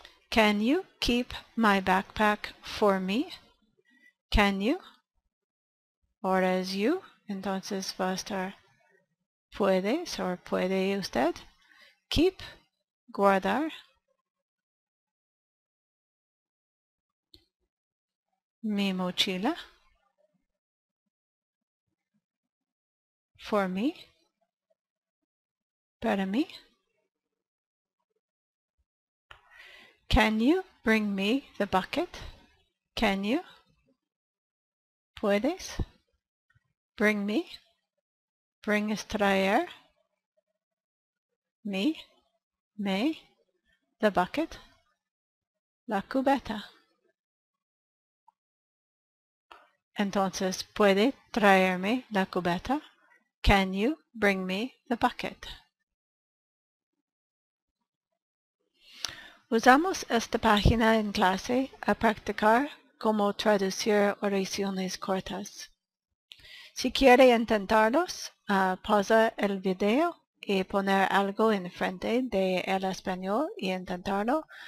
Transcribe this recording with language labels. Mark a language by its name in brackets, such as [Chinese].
[English] Can you keep my backpack for me? Can you? Or as you, [Spanish] entonces va a estar, puedes, [English] or [Spanish] puede usted, [English] keep, [Spanish] guardar, mi mochila, [English] for me, [Spanish] para mí. [English] Can you bring me the bucket? Can you? [Spanish] Puedes? [English] Bring me? Bring [Spanish] es traer? [English] Me? Me? The bucket? [Spanish] La cubeta. Entonces, puede traerme la cubeta? [English] Can you bring me the bucket? [Spanish] Usamos esta página en clase a practicar cómo traducir oraciones cortas. Si quiere intentarlos, pausa el video y poner algo en frente de el español y intentarlo.